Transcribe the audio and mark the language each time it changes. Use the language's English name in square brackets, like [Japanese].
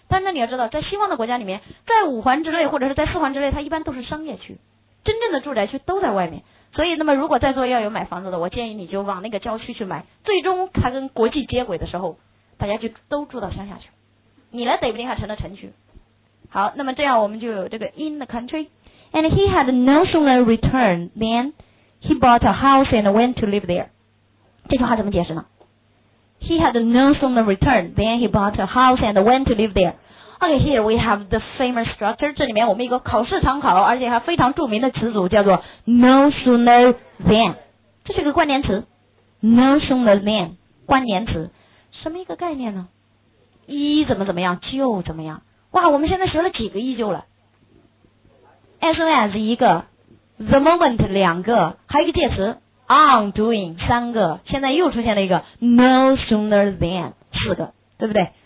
[Chinese] 但那你要知道，在西方的国家里面，在五环之内或者是在四环之内，它一般都是商业区，真正的住宅区都在外面。所以那么如果在座要有买房子的，我建议你就往那个郊区去买，最终它跟国际接轨的时候，大家就都住到乡下去，你来北京还成了城区。好，那么这样我们就有这个 [English] in the country， and he had no sooner returned than he bought a house and went to live there。这句话怎么解释呢？ He had no sooner returned than he bought a house and went to live there。 OK， here we have the famous structure， [Chinese] 这里面我们一个考试常考而且还非常著名的词组叫做 no sooner than， 这是个关联词， no sooner than 关联词，什么一个概念呢？一怎么怎么样就怎么样。哇，我们现在学了几个依旧了， as soon as 一个， the moment 两个，还有一个介词 on doing 三个，现在又出现了一个 no sooner than 四个，对不对？